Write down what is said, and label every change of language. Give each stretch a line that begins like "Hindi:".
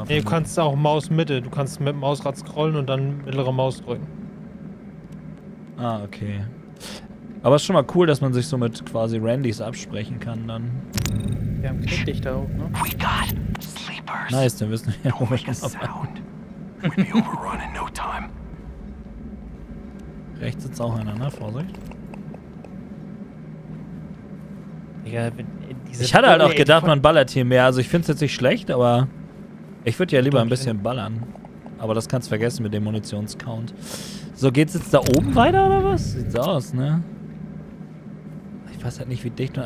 German: finden. Nee, du kannst auch Mausmitte. Du kannst mit dem Mausrad scrollen und dann mittlere Maus drücken. Ah, okay. Aber ist schon mal cool, dass man sich so mit quasi Randys absprechen kann dann. Wir haben Knicklicht da oben, ne?
English: We got sleepers.
German: Nice, dann wissen wir ja, wo wir das sound.
English: We'll be overrun in no time.
German: Rechts sitzt auch einer, ne? Vorsicht. Ja, ich hatte halt auch gedacht, man ballert hier mehr. Also ich finde es jetzt nicht schlecht, aber ich würde ja lieber ein bisschen ballern. Aber das kannst du vergessen mit dem Munitionscount. So, geht's jetzt da oben weiter oder was? Sieht so aus, ne? Ich weiß halt nicht, wie dicht man...